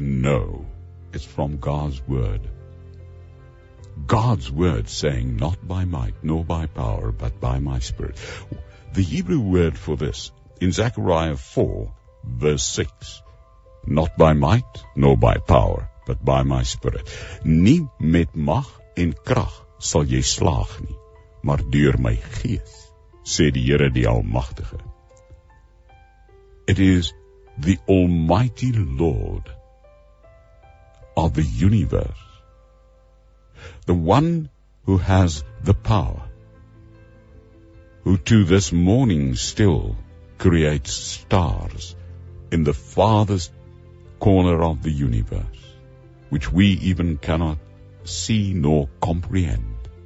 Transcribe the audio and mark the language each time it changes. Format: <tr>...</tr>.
<en>No, it's from God's Word. God's Word saying, not by might nor by power, but by my Spirit. The Hebrew word for this in Zechariah 4, verse 6, not by might nor by power, but by my Spirit.</en> <af>Nie met mag en krag sal jy slaag nie, maar deur my gees, sê die Here die Almagtige.</af> <en>It is the Almighty Lord of the universe, the one who has the power, who to this morning still creates stars in the farthest corner of the universe, which we even cannot see nor comprehend.</en>